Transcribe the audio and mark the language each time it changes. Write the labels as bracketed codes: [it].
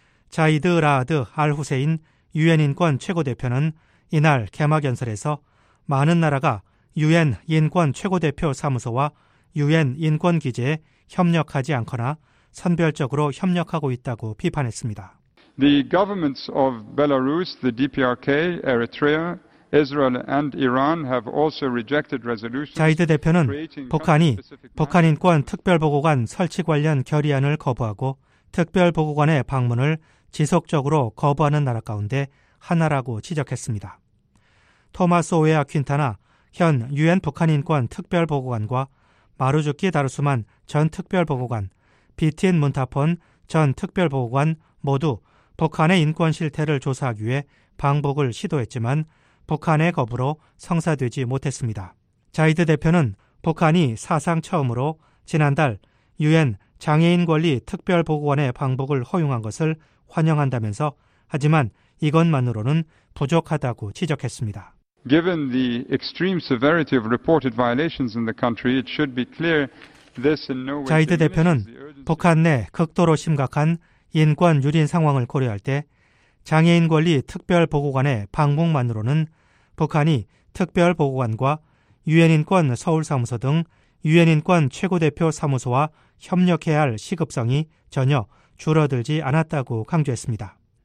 [ko] 자이드 라드 알 후세인 유엔 인권 최고 대표는 이날 개막 연설에서 많은 나라가 유엔 인권 최고 대표 사무소와 유엔 인권 기재에 협력하지 않거나 선별적으로 협력하고 있다고 비판했습니다. [en] The governments of Belarus, the DPRK, Eritrea, Israel and Iran have also rejected resolutions. [ko] 자이드 대표는 북한이 북한 인권 특별보고관 설치 관련 결의안을 거부하고 특별보고관의 방문을 지속적으로 거부하는 나라 가운데 하나라고 지적했습니다. 토마스 오웨아 퀸타나 현 유엔 북한 인권 특별보고관과 마루즈키 다루스만 전 특별보고관, 비틴 문타폰 전 특별보고관 모두 북한의 인권 실태를 조사하기 위해 방북을 시도했지만 북한의 거부로 성사되지 못했습니다. 자이드 대표는 북한이 사상 처음으로 지난달 유엔 장애인 권리 특별보고관의 방북을 허용한 것을 환영한다면서 하지만 이것만으로는 부족하다고 지적했습니다. [en] Given the extreme severity of reported violations in the country, it should be clear this in no way. [ko] 자이드 대표는 북한 내 극도로 심각한 인권 유린 상황을 고려할 때 장애인 권리 특별보고관의 방북만으로는 북한이 특별보고관과 유엔인권 서울사무소 등 유엔인권 최고대표 사무소와 협력해야 할 시급성이 전혀 줄어들지 않았다고 강조했습니다.